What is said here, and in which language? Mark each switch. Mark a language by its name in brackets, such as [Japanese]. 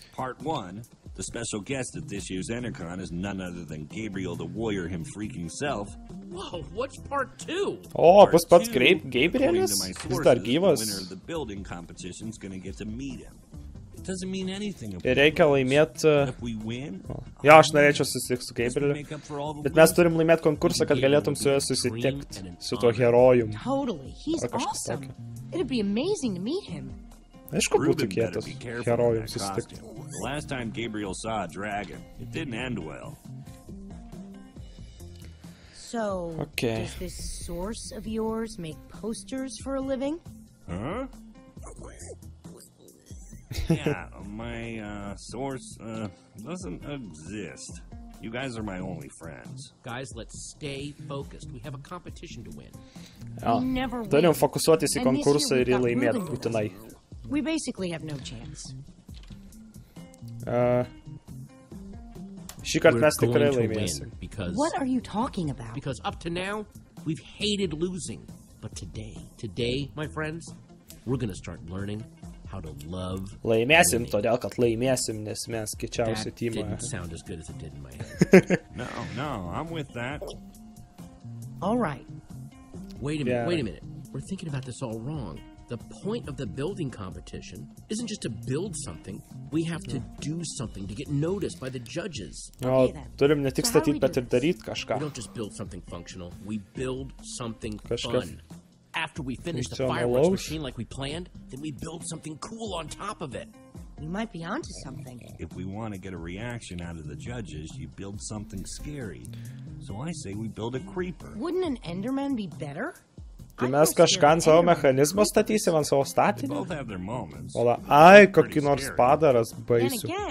[English] Part one, the special guest at this year's Intercon is none other than Gabriel the Warrior, him freaking self. Whoa, what's part two? [Lithuanian] Oh, bus pats Gabrielis? Jis dar gyvas? [English] The winner of the building competition is gonna get to meet him. It doesn't mean anything. [Lithuanian] Ir reikia laimėt... [English] If we win... [Lithuanian] Jo, aš norėčiau susitikti su Gabrieliu. Bet mes turim laimėt konkursą, kad galėtum su juo susitikti. Su tuo herojum. [English] Totally, he's awesome. It'd be amazing to meet him. [Lithuanian] Aišku, būtų kietas herojum susitikti. [English] The last time Gabriel saw a dragon, it didn't end well. So, okay. Does this source of yours make posters for a living? Huh? Yeah, my source doesn't exist. You guys are my only friends. Guys, let's stay focused. We have a competition to win. [Lithuanian] Turim fokusuotis į konkursą ir jį laimėt būtinai. [English] We basically have no chance. [Lithuanian] Šį kartą mes tikrai laimėsim. [English] What are you talking about? Because up to now, we've hated losing. But today, today, my friends, we're gonna start learning how to love winning. [Lithuanian] Laimėsim, todėl kad laimėsim, nes mes kiečiausią teamą. [English] That didn't sound as good as it did in my head. No, no, I'm with that. All right. Wait a minute, wait a minute. We're thinking about this all wrong. The point of the building competition isn't just to build something. We have to do something to get noticed by the judges. [Lithuanian] Okay, turim ne tik statyt, bet ir daryt kažką. [English] We don't just build something functional. We build something fun. After we finish the fireworks machine like we planned, then we build something cool on top of it. We might be onto something. If we want to get a reaction out of the judges, you build something scary. So I say we build a creeper. Wouldn't an Enderman be better? [Lithuanian] Tai mes kažką ant savo mechanizmo statysim, ant savo statinį. Ola, ai, kokį nors padaras baisų.